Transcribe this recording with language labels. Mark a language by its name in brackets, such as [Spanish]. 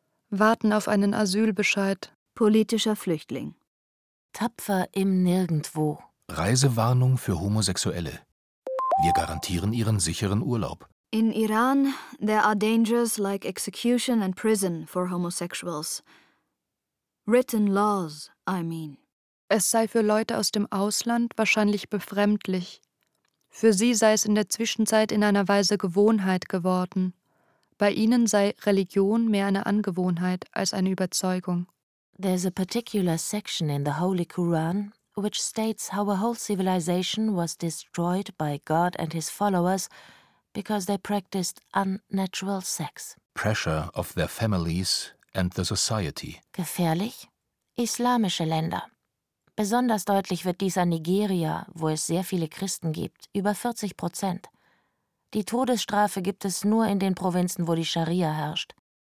[German] Warten auf einen Asylbescheid. Politischer Flüchtling. Tapfer im Nirgendwo. Reisewarnung für Homosexuelle. Wir garantieren Ihren sicheren Urlaub. [English] In Iran, there are dangers like execution and prison for homosexuals. Written laws, I mean. [German] Es sei für Leute aus dem Ausland wahrscheinlich befremdlich. Für sie sei es in der Zwischenzeit in einer Weise Gewohnheit geworden. Bei ihnen sei Religion mehr eine Angewohnheit als eine Überzeugung. [English] There's a particular section in the Holy Quran which states how a whole civilization was destroyed by God and his followers because they practiced unnatural sex. Pressure of their families and the society. [German] Gefährlich? Islamische Länder. Besonders deutlich wird dies an Nigeria, wo es sehr viele Christen gibt, über 40%. Die Todesstrafe gibt es nur in den Provinzen, wo die Scharia herrscht.